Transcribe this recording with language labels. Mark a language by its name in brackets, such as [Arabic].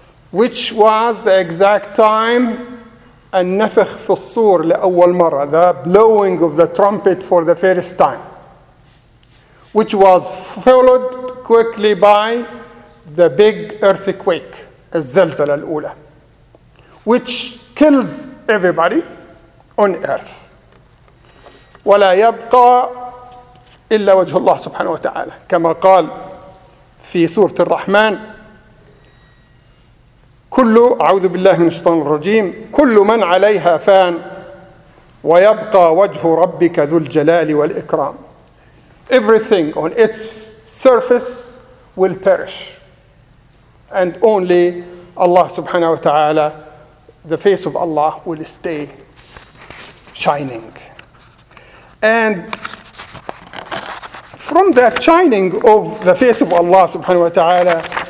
[English] which was the exact time [Arabic] النفخ في الصور لأول مرة, [English] the blowing of the trumpet for the first time, which was followed quickly by the big earthquake, [Arabic] الزلزلة الأولى, [English] which kills everybody on earth. [Arabic] ولا يبقى إلا وجه الله سبحانه وتعالى, كما قال في سورة الرحمن, كل أعوذ بالله من الشيطان الرجيم, كل من عليها فان ويبقى وجه ربك ذو الجلال والإكرام. [English] Everything on its surface will perish, and only Allah subhanahu wa ta'ala, the face of Allah will stay shining. And from that shining of the face of Allah subhanahu wa ta'ala,